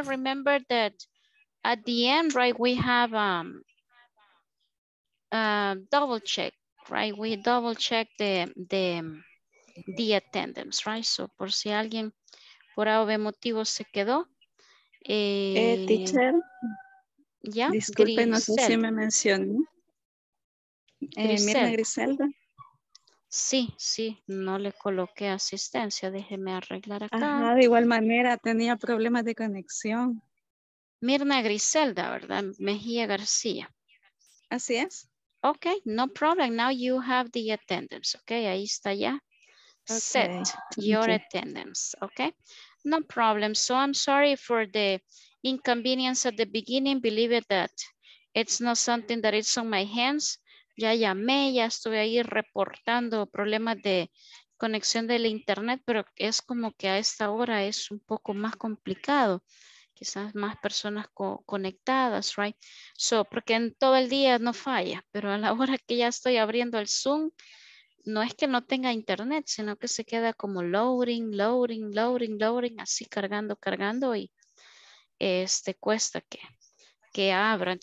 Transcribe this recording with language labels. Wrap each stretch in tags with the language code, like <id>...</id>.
<en>Remember that at the end, right, we have double check. Right, we double check the attendance, right?</en> <es>So, por si alguien por algún motivo se quedó.</es> <en>Teacher, ya. Yeah,</en> <es>disculpe, Griselda. No sé si me mencioné. Mira, Griselda. Sí, sí, no le coloqué asistencia. Déjeme arreglar acá. Ajá, de igual manera, tenía problemas de conexión. Mirna Griselda, ¿verdad? Mejía García. Así es.</es> <en>Okay, no problem. Now you have the attendance. Okay,</en> <es>ahí está ya.</es> <en>Okay. Set your attendance. Okay, no problem. So I'm sorry for the inconvenience at the beginning. Believe it that it's not something that is on my hands.</en> <es>Ya llamé, ya estuve ahí reportando problemas de conexión del internet, pero es como que a esta hora es un poco más complicado. Quizás más personas conectadas, right? So, porque en todo el día no falla, pero a la hora que ya estoy abriendo el Zoom, no es que no tenga internet, sino que se queda como loading, loading, loading, loading, así cargando, cargando y cuesta que abra.</es>